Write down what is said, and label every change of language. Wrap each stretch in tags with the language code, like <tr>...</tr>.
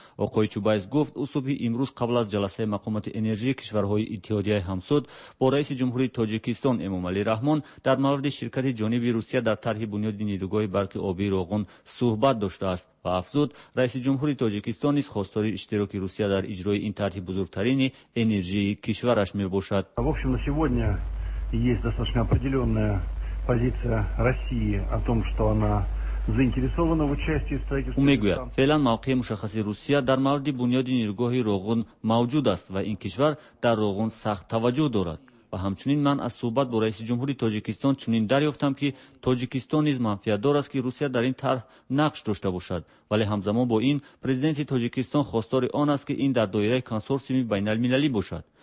<tg>آقای چوبایس گفت او صبح امروز قبل از جلسه مقامات انرژی کشورهای اتحادیه همسود با رئیس جمهوری تاجیکستان امام علی رحمان در مورد شرکت جانب روسیه در طرح بنیاد نیروگاه برق آبی راغون صحبت داشته است و افزود رئیس جمهوری تاجیکستان نیز خواستار اشتراک روسیه در اجرای این طرح بزرگترین انرژی کشورش میباشد.</tg> <ru>в общем на сегодня есть достаточно определённая позиция России о том, что она</ru> <tg>او میگوید فعلا موقع مشخصی روسیه در مورد بنیاد نیروگاه راغون موجود است و این کشور در راغون سخت توجه دارد و همچنین من از صحبت با رئیس جمهوری تاجیکستان چنین دریافتم که تاجیکستان نیز منفعت دار است که روسیه در این طرح نقش داشته باشد، ولی همزمان با این پرزیدنت تاجیکستان خواستار آن است که این در دایره کنسورسیوم بین المللی باشد.</tg>